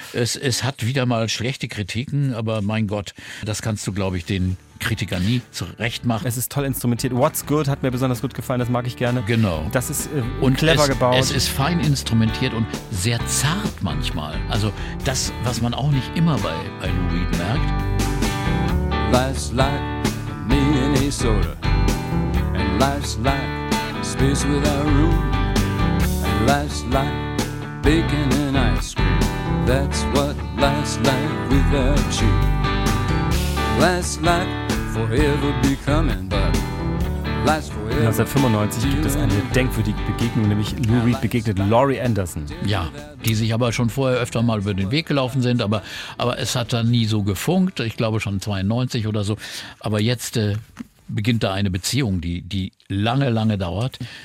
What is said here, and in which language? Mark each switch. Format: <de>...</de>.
<de>Es hat wieder mal schlechte Kritiken, aber mein Gott, das kannst du, glaube ich, den Kritiker nie zurecht machen. Es ist toll instrumentiert. What's Good hat mir besonders gut gefallen, das mag ich gerne. Genau. Das ist clever gebaut. Es ist fein instrumentiert und sehr zart manchmal. Also das, was man auch nicht immer bei Lou Reed merkt.</de> <en>Life's like Minnesota. And life's like space without room. And life's like bacon and ice cream. That's what life's like without you. Life's like forever becoming, but life's forever.</en> <de>1995 gibt es eine denkwürdige Begegnung, nämlich Lou Reed begegnet Laurie Anderson. Ja, die sich aber schon vorher öfter mal über den Weg gelaufen sind, aber es hat dann nie so gefunkt, ich glaube schon 92 oder so. Aber jetzt beginnt da eine Beziehung, die lange, lange dauert.</de>